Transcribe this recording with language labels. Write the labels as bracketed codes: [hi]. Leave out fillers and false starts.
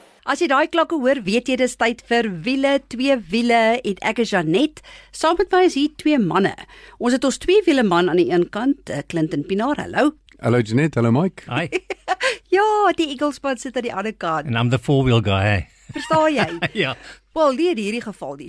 [af] As jy daai klokke hoor, weet jy dis tyd vir wiele, twee wiele en ek is Janet. Saam met my is hier twee manne. Ons het ons twee wiele man aan die een kant, Clinton Pienaar, hallo. Hallo Janet, hallo Mike. [en] Hi. [af] Ja, die Eaglespan sit aan die ander kant. [en] And I'm the four-wheel guy, hey. [af] Verstaan jy? Ja. Wel, nie in hierdie geval nie.